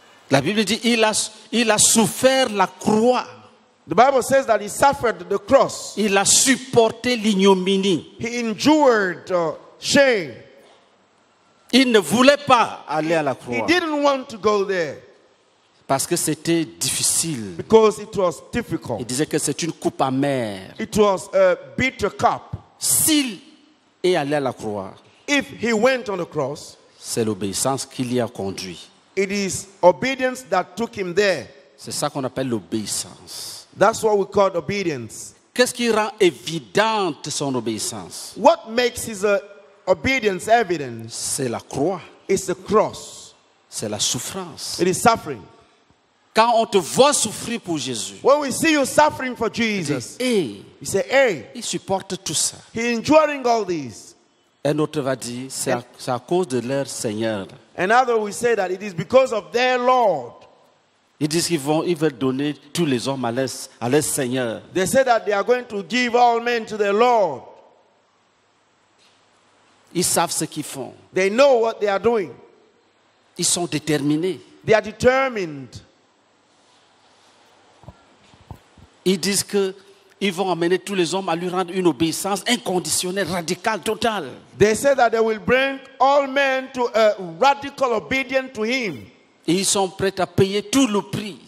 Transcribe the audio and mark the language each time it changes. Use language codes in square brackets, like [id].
[fr] La Bible dit il a souffert la croix. [en] The Bible says that he suffered the cross. [fr] Il a supporté l'ignominie. [en] He endured shame. [fr] Il ne voulait pas aller à la croix. [en] He didn't want to go there. [fr] Parce que c'était difficile. [en] Because it was difficult. [fr] Il disait que c'est une coupe amère. [en] It was a bitter cup. [fr] S'il est allé à la croix, [en] if he went on the cross, [fr] c'est l'obéissance qui l'y a conduit. [en] It is obedience that took him there. [fr] C'est ça qu'on appelle l'obéissance. [en] That's what we call obedience. [fr] Qu'est-ce qui rend évidente son obéissance? [en] What makes his obedience evident? [fr] C'est la croix. [en] It's the cross. [fr] C'est la souffrance. [en] It is suffering. [fr] Quand on te voit souffrir pour Jésus, [en] when we see you suffering for Jesus, hey, he say, hey, [fr] il supporte tout ça. [en] He enduring all this. [fr] Un autre va dire, c'est à cause de leur Seigneur. [en] Another will say that it is because of their Lord. [fr] Ils disent qu'ils veulent donner tous les hommes à leur Seigneur. [en] They say that they are going to give all men to their Lord. [fr] Ils savent ce qu'ils font. [en] They know what they are doing. [fr] Ils sont déterminés. [en] They are determined. [fr] Ils disent qu'ils vont amener tous les hommes à lui rendre une obéissance inconditionnelle, radicale, totale. [en] They say that they will bring all men to a radical obedience to him. [fr] Et ils sont prêts à payer tout le prix.